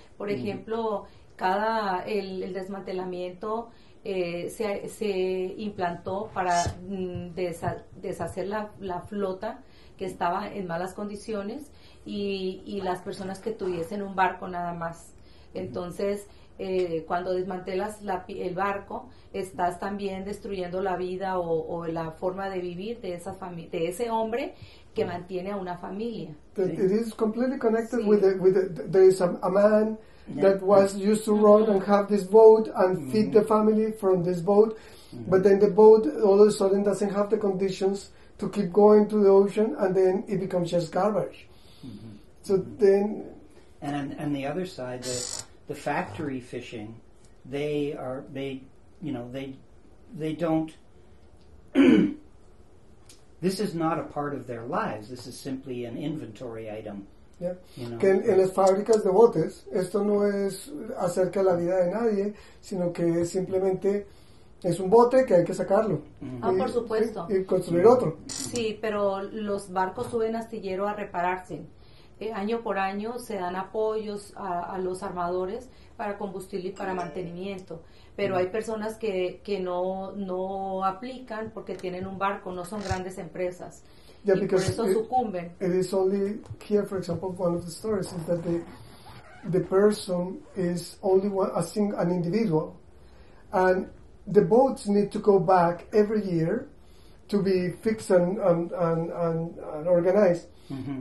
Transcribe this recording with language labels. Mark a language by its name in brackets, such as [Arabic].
[Spanish] Por ejemplo, cada el desmantelamiento se implantó para deshacer la flota que estaba en malas condiciones y las personas que tuviesen un barco nada más. Entonces, cuando desmantelas el barco, estás también destruyendo la vida o la forma de vivir de esa de ese hombre que mantiene a una familia. [English] It is completely connected with a man that was used to run and have this boat and mm-hmm. feed the family from this boat, mm-hmm. but then the boat all of a sudden doesn't have the conditions to keep going to the ocean, and then it becomes just garbage. Mm-hmm. So mm-hmm. then, and the other side, the factory fishing, they don't. This is not a part of their lives. This is simply an inventory item. Yeah. You know? [Spanish] Que en las fábricas de botes, esto no es acerca de la vida de nadie, sino que simplemente es un bote que hay que sacarlo. Mm-hmm. Ah, por supuesto. Y construir mm-hmm. otro. Sí, pero los barcos suben astillero a repararse. Año por año se dan apoyos a los armadores para combustible y para mantenimiento. Pero hay personas que no aplican porque tienen un barco, no son grandes empresas. [English] Yeah, [Spanish] y por eso sucumben. [English] It is only here, for example, one of the stories is that the person is only one, a single, an individual. And the boats need to go back every year to be fixed and organized. Mm-hmm.